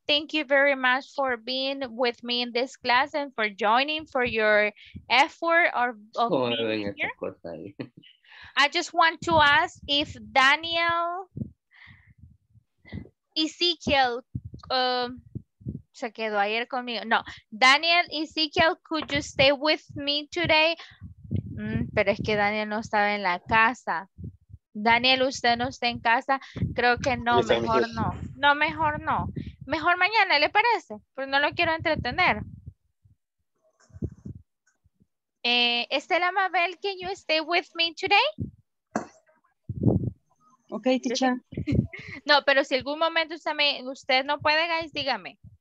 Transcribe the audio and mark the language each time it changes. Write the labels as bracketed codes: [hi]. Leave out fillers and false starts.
[en] Thank you very much for being with me in this class and for joining, for your effort of being here. I just want to ask if Daniel, Ezekiel, [es] se quedó ayer conmigo. No, [en] Daniel Ezequiel, could you stay with me today? [es] Pero es que Daniel no estaba en la casa. Daniel, usted no está en casa. Creo que no, mejor no. No, mejor no. Mejor mañana, ¿le parece? Pues no lo quiero entretener. [en] Estela Mabel, can you stay with me today? Ok, teacher. [es] No, pero si algún momento usted no puede, guys, dígame.